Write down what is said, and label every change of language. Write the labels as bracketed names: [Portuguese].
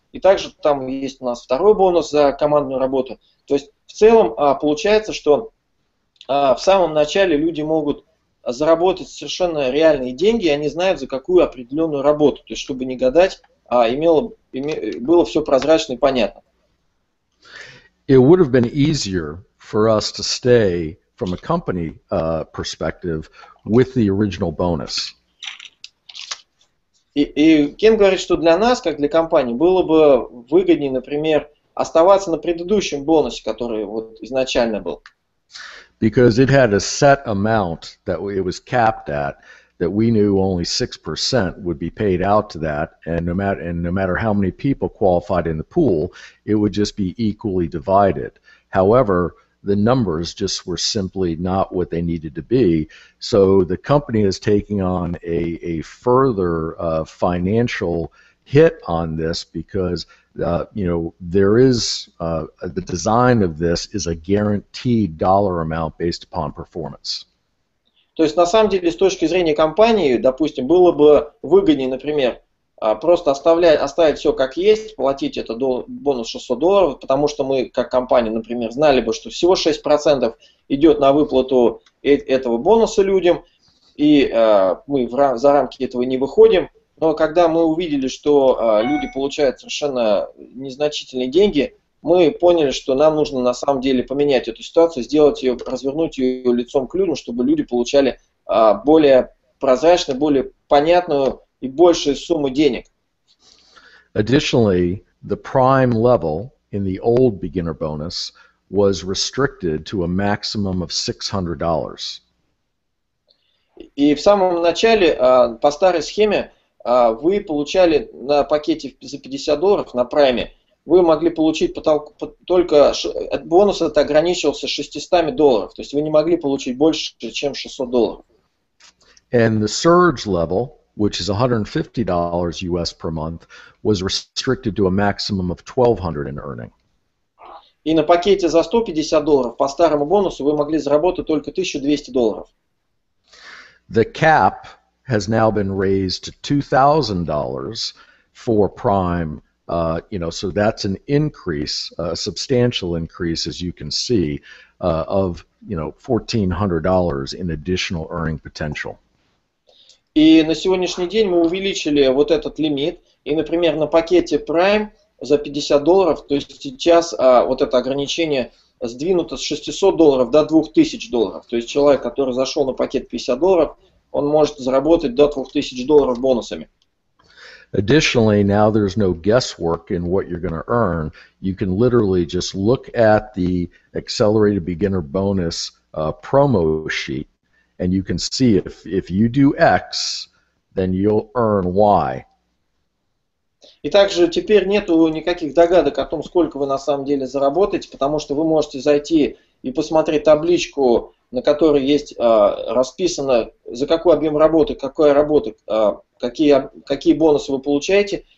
[Russian] И также там есть у нас второй бонус за командную работу. То есть в целом получается, что в самом начале люди могут заработать совершенно реальные деньги, и они знают, за какую определенную работу. То есть чтобы не гадать, было все прозрачно и понятно. [English] It would have been easier for us to stay from a company perspective with the original bonus. [Russian] И Кен говорит, что для нас, как для компании, было бы выгоднее, например, оставаться на предыдущем бонусе, который вот изначально был. [English] Because it had a set amount that it was capped at, that we knew only 6% would be paid out to that, and no matter how many people qualified in the pool, it would just be equally divided. However, the numbers just were simply not what they needed to be. So the company is taking on a further financial hit on this because there is the design of this is a guaranteed dollar amount based upon performance. [Russian] То есть на самом деле с точки зрения компании, допустим, было бы выгоднее, например, просто оставить все как есть, платить этот бонус $600, потому что мы, как компания, например, знали бы, что всего 6% идет на выплату этого бонуса людям, и мы за рамки этого не выходим. Но когда мы увидели, что люди получают совершенно незначительные деньги, мы поняли, что нам нужно на самом деле поменять эту ситуацию, развернуть ее лицом к людям, чтобы люди получали более прозрачную, более понятную и большую сумму денег. [English] Additionally, the prime level in the old beginner bonus was restricted to a maximum of $600. [Russian] И в самом начале, по старой схеме, вы получали на пакете за $50 на прайме, вы могли получить только бонус этот ограничивался $600, то есть вы не могли получить больше, чем $600. [English] And the surge level, which is $150 US per month, was restricted to a maximum of $1,200 in earning. [Russian] И на пакете за $150 по старому бонусу вы могли заработать только $1,200. [English] The cap has now been raised to $2,000 for prime. So that's an increase, a substantial increase, as you can see, of $1,400 in additional earning potential. [Russian] И на сегодняшний день мы увеличили вот этот лимит, и, например, на пакете Prime за $50, то есть сейчас вот это ограничение сдвинуто с $600 до $2,000. То есть человек, который зашел на пакет $50, он может заработать до $2,000 бонусами. [English] Additionally, now there's no guesswork in what you're going to earn. You can literally just look at the Accelerated Beginner Bonus promo sheet, and you can see if you do X, then you'll earn Y. [Russian] И также теперь нету никаких догадок о том, сколько вы на самом деле заработаете, потому что вы можете зайти и посмотреть табличку, на которой есть расписано, за какой объем работы, какая работа, какие бонусы вы получаете.